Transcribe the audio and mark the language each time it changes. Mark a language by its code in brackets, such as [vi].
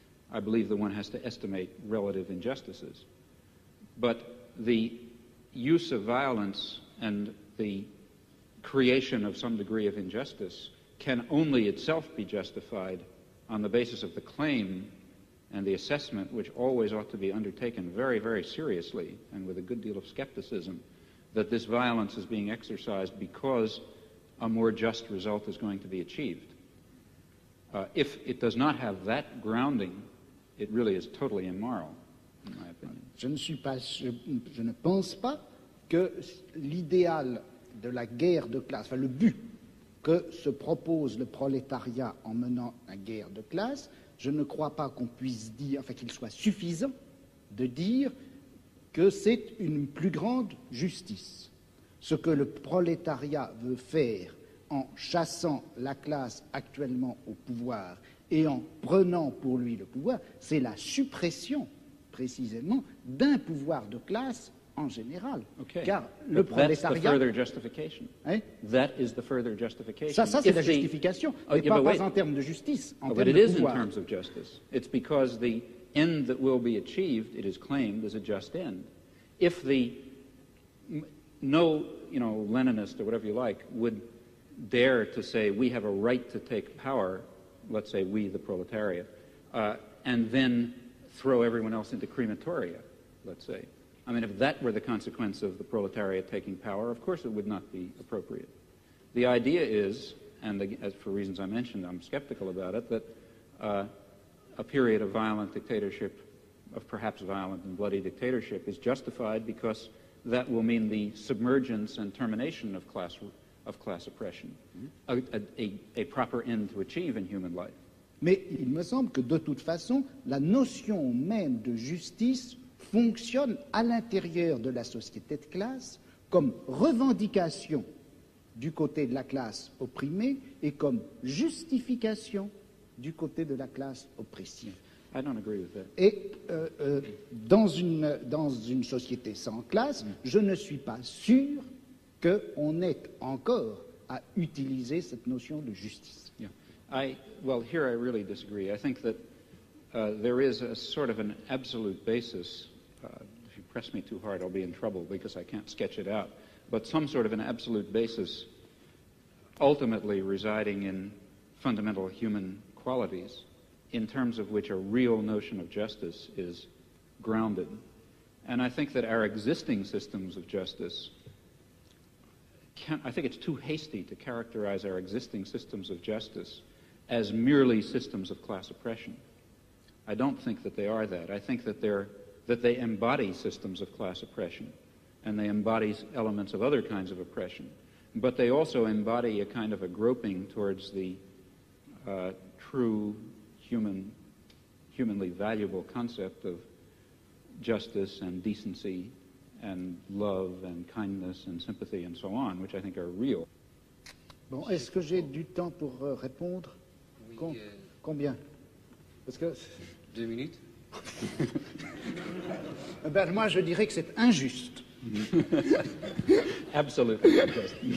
[en] I believe that one has to estimate relative injustices. But the use of violence and the creation of some degree of injustice can only itself be justified on the basis of the claim and the assessment, which always ought to be undertaken very, very seriously and with a good deal of skepticism, that this violence is being exercised because a more just result is going to be achieved. If it does not have that grounding, it really is totally immoral, in my opinion. [fr] Je ne pense pas que l'idéal de la guerre de classe, enfin le but que se propose le prolétariat en menant la guerre de classe, je ne crois pas qu'on puisse dire, enfin qu'il soit suffisant de dire que c'est une plus grande justice. Ce que le prolétariat veut faire en chassant la classe actuellement au pouvoir et en prenant pour lui le pouvoir, c'est la suppression, précisément, d'un pouvoir de classe en général. [en] Okay. [fr] Car le prolétariat... [en] That's the further justification. [fr] Hein? [en] That is the further justification. [fr] Ça c'est la justification, mais pas en termes de justice, en termes de pouvoir. [en] But it is in terms of justice. It's because the end that will be achieved, it is claimed, is a just end. If the... Leninist or whatever you like would dare to say we have a right to take power, let's say we the proletariat, and then throw everyone else into crematoria, let's say. I mean, if that were the consequence of the proletariat taking power, of course it would not be appropriate. The idea is, and as for reasons I mentioned, I'm skeptical about it, that a period of violent dictatorship, of perhaps violent and bloody dictatorship, is justified because that will mean the submergence and termination of class oppression, a proper end to achieve in human life. [fr] Mais il me semble que de toute façon, la notion même de justice fonctionne à l'intérieur de la société de classe comme revendication du côté de la classe opprimée et comme justification du côté de la classe oppressive. [en] I don't agree with that. [fr] Et dans une société sans classe, je ne suis pas sûr qu'on est encore à utiliser cette notion de justice. [en] Yeah. Here I really disagree. I think that there is a sort of an absolute basis. If you press me too hard, I'll be in trouble because I can't sketch it out. But some sort of an absolute basis ultimately residing in fundamental human qualities in terms of which a real notion of justice is grounded. And I think that our existing systems of justice I think it's too hasty to characterize our existing systems of justice as merely systems of class oppression. I don't think that they are that. I think that they embody systems of class oppression, and they embody elements of other kinds of oppression. But they also embody a kind of a groping towards the true humanly valuable concept of justice and decency and love and kindness and sympathy and so on, which I think are real. [fr] Bon, est-ce que j'ai du temps pour répondre? Oui, combien? Parce que... [en] 2 minutes. [fr] Ben, moi, je dirais que c'est injuste. [en] Absolutely [fr] injuste.